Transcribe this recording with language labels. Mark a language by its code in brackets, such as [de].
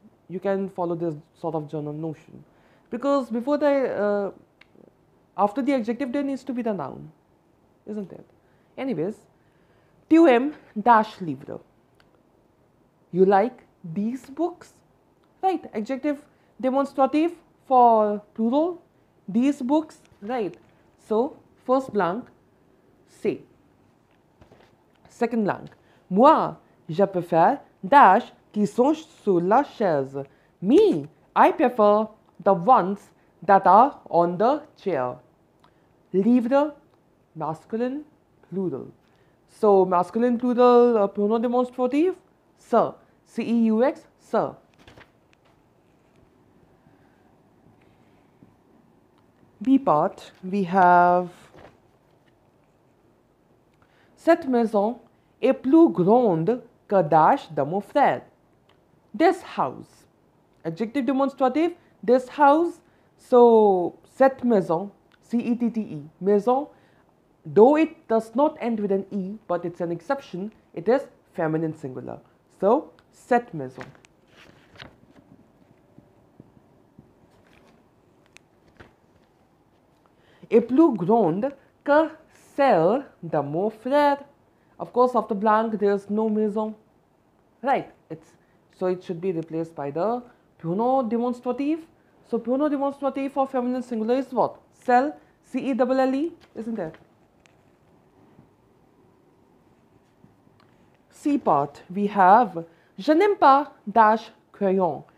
[en] You can follow this sort of general notion, because before the, after the adjective, there needs to be the noun, isn't it? Anyways, [fr] tu aimes dash livre, [en] you like these books? Right, adjective demonstrative for plural, these books, right? So, first blank, c'est. Second blank, [fr] moi, je préfère dash qui sont sur la chaise. [en] Me, I prefer the ones that are on the chair. Livre, masculine, plural. So, masculine plural pronoun demonstrative, sir. C-E-U-X, sir. B part, we have [fr] cette maison est plus grande que dash de mon frère. [en] This house. Adjective demonstrative, this house. So, cette maison, C-E-T-T-E, maison, though it does not end with an E, but it's an exception, it is feminine singular. So, cette maison. [fr] Est plus grande que celle de mon frère. [en] Of course, after blank, there's no maison. Right, so it should be replaced by the pronom demonstrative. So, pronom demonstrative for feminine singular is what? Celle, C-E-L-L-E, isn't it? C part, we have [fr] je n'aime pas dash crayon.